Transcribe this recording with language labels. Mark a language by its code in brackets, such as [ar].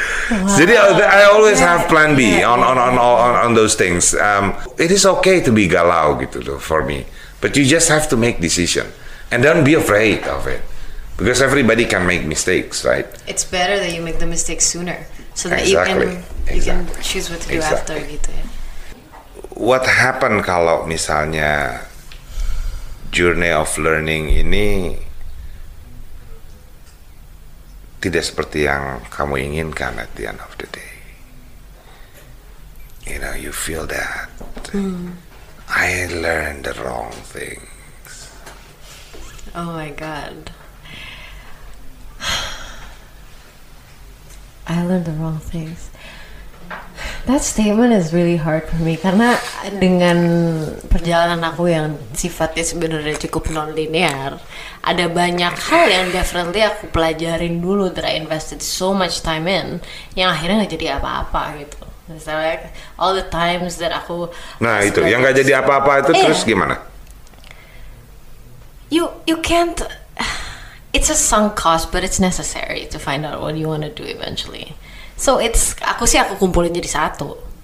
[en] Wow. Jadi I always have plan B on those things. It is okay to be galau [id] gitu loh [en] for me, but you just have to make decision and don't be afraid of it, because everybody can make mistakes, right? It's better that you make the mistake sooner, so that you can choose what to do after [id] gitu ya. [en] What happen [id] kalau misalnya [en] journey of learning [id] ini tidak seperti yang kamu inginkan [en] at the end of the day? You know, you feel that. I learned the wrong things. Oh my God. I learned the wrong things. That statement is really hard for me, [id] karena dengan perjalanan aku yang sifatnya sebenarnya cukup non-linear, ada banyak hal yang definitely aku pelajarin dulu [en] that I invested so much time in [id] yang akhirnya gak jadi apa-apa gitu. [en] Misalnya like, all the times that aku... [id] Nah itu, yang gak jadi apa-apa itu terus gimana? [en] You can't... It's a sunk cost, but it's necessary to find out what you want to do eventually. So it's, [id] aku sih aku kumpulin jadi satu.